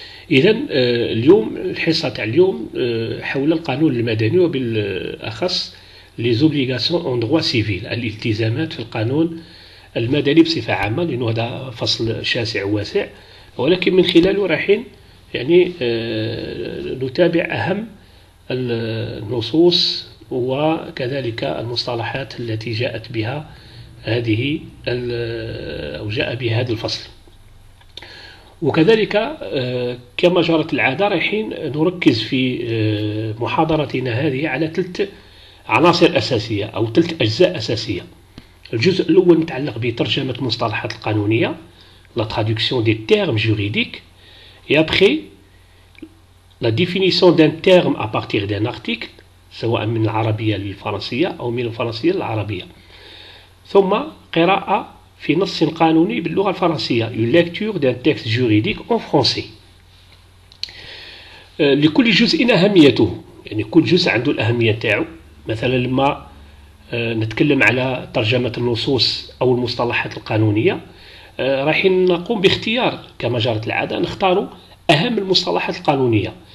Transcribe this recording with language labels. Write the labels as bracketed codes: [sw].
[ar] إذا اليوم الحصة تاع اليوم حول القانون المدني، وبالأخص [fr] لي زوبليغاسيون اون دغوا سيفيل، [ar] الالتزامات في القانون المدني بصفة عامة، لأنه هذا فصل شاسع واسع، ولكن من خلاله رايحين يعني نتابع أهم النصوص وكذلك المصطلحات التي جاءت بها هذه أو جاء بها هذا الفصل. وكذلك كما جرت العادة، رايحين نركز في محاضرتنا هذه على 3 عناصر أساسية أو 3 أجزاء أساسية. الجزء الأول متعلق بترجمة المصطلحات القانونية، [fr] la traduction des termes juridiques, et après la définition d'un terme à partir d'un article, [ar] سواء من العربية للفرنسية أو من الفرنسية للعربية. ثم قراءة في نص قانوني باللغة الفرنسية، [fr] une lecture d'un texte juridique en français. [ar] لكل جزء أهميته، يعني كل جزء عنده الأهمية تاعو. مثلا لما نتكلم على ترجمة النصوص أو المصطلحات القانونية، راح نقوم باختيار كما جرت العادة، نختار أهم المصطلحات القانونية.